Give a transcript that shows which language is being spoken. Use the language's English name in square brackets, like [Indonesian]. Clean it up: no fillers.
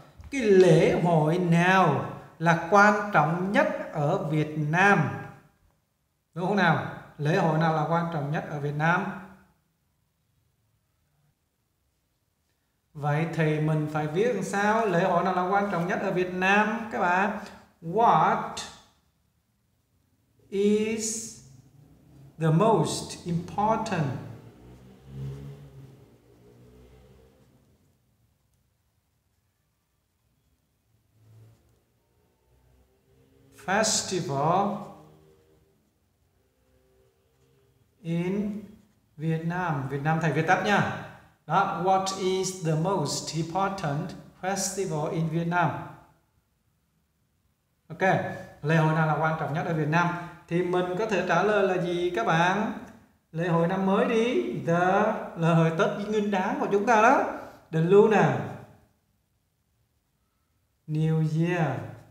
[Vietnamese] Cái lễ hội nào là quan trọng nhất ở Việt Nam? Đúng không nào? Lễ hội nào là quan trọng nhất ở Việt Nam? Vậy thì mình phải viết làm sao? Lễ hội nào là quan trọng nhất ở Việt Nam các bạn? [English] What is the most important festival in Vietnam? [Vietnamese] Việt Nam thầy viết tắt nha. [English] Đó, what is the most important festival in Vietnam? [Vietnamese] Ok, lễ hội nào là quan trọng nhất ở Việt Nam? Thì mình có thể trả lời là gì các bạn? Lễ hội năm mới đi. The lễ hội Tết Nguyên Đán của chúng ta đó. [English] The Lunar New Year.